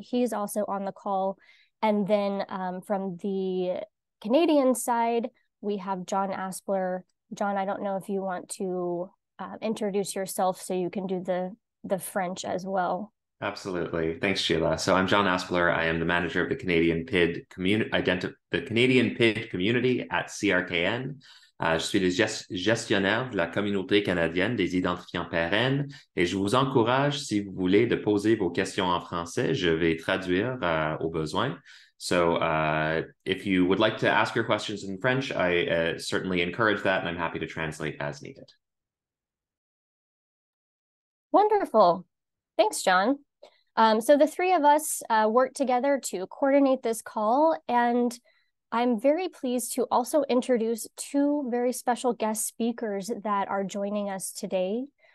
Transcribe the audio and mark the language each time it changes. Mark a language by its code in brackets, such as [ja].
[en] He's also on the call. And then from the Canadian side, we have John Aspler. John, I don't know if you want to introduce yourself so you can do the French as well. Absolutely. Thanks, Sheila. So I'm John Aspler. I am the manager of the Canadian PID community at CRKN. [fr] Je suis le gestionnaire de la communauté canadienne des identifiants pérennes et je vous encourage, si vous voulez, de poser vos questions en français. Je vais traduire au besoin. [en] So if you would like to ask your questions in French, I certainly encourage that, and I'm happy to translate as needed. Wonderful. Thanks, John. So the three of us work together to coordinate this call, and I'm very pleased to also introduce two very special guest speakers that are joining us today.